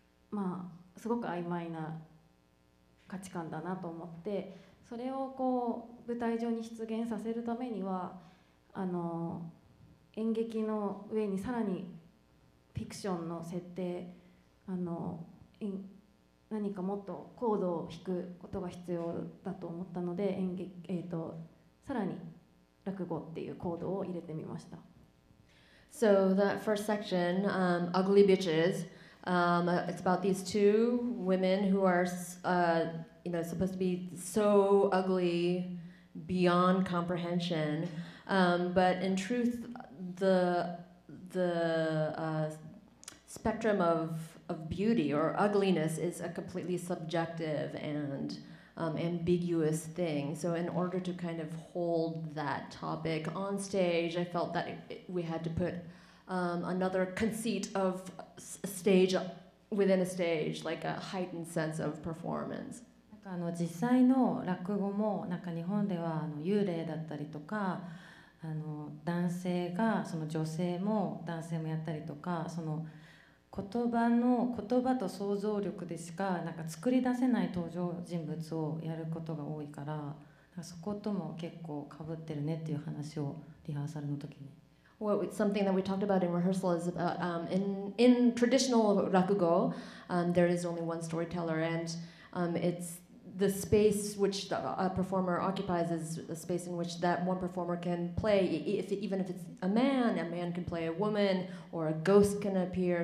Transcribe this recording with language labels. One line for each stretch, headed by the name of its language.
Japanese: まあすごく曖昧な価値観だなと思って、それをこう舞台上に出現させるためには、あの演劇の上にさらにフィクションの設定、あの何かもっとコードを弾くことが必要だと思ったので、演劇、さらに落語っていうコードを入れてみました。
English: So that first section, Ugly Bitches, it's about these two women who are, you know, supposed to be so ugly beyond comprehension, but in truth, the spectrum of beauty or ugliness is a completely subjective and ambiguous thing. So in order to kind of hold that topic on stage, I felt that we had to put another conceit of stage within a stage, like a heightened sense of performance.
Japanese: あの実際の落語もなんか日本ではあの幽霊だったりとか、あの男性がその女性も男性もやったりとか、その言葉と想像力でしか、 なんか作り出せない登場人物をやることが多いから、 なんかそことも結構被ってるねっていう話をリハーサルの時に。
English: Well, it's something that we talked about in rehearsal is about, in traditional rakugo, there is only one storyteller, and it's the space which a performer occupies is a space in which that one performer can play. Even if it's a man can play a woman, or a ghost can appear.